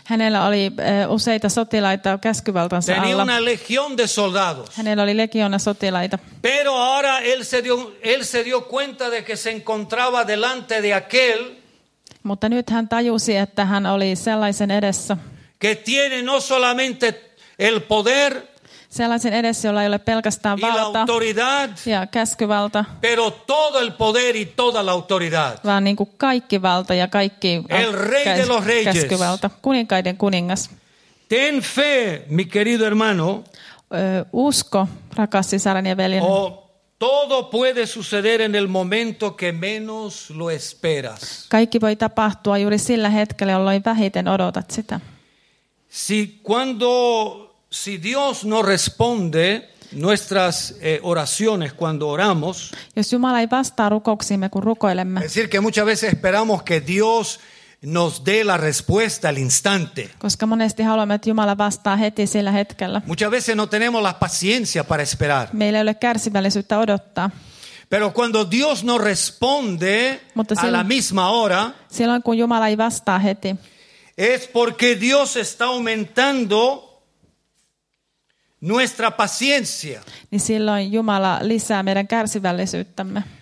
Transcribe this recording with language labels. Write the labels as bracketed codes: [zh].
[fi] Hänellä oli useita sotilaita käskyvaltansa [es] tenía [fi] alla. [es] Tenía una legión de soldados. [fi] Hänellä oli legiona sotilaita. [es] Pero ahora él se dio cuenta de que se encontraba delante de aquel. [fi] Mutta nyt hän tajusi, että hän oli sellaisen edessä. [es] Que tiene no solamente el poder. [fi] Sellaisen edessä, jolla ei ole pelkästään valta ja käskyvalta, [es] pero todo el poder y toda la autoridad. [fi] Vaan niin kuin kaikki valta ja kaikki [es] el rey de los reyes. [fi] Käskyvalta, kuninkaiden kuningas. [es] Ten fe, mi querido hermano. [fi] Usko, rakas sisarani ja veljeni. [es] O todo puede suceder en el momento que menos lo esperas. [fi] Kaikki voi tapahtua juuri sillä hetkellä, jolloin vähiten odotat sitä. [es] Si cuando... Si Dios no responde nuestras oraciones cuando oramos, [fi] jos Jumala ei vastaa rukouksiimme, kun rukoilemme. [es] Es decir que muchas veces esperamos que Dios nos dé la respuesta al instante. [fi] Koska monesti haluamme, että Jumala vastaa heti sillä hetkellä. [es] Muchas veces no tenemos la paciencia para esperar. [fi] Meillä ei ole kärsivällisyyttä odottaa. [es] Pero cuando Dios no responde [fi] silloin, [es] a la misma hora, [fi] silloin kun Jumala ei vastaa heti, [es] es porque Dios está aumentando nuestra paciencia. [fi] Niin silloin Jumala lisää meidän kärsivällisyyttämme.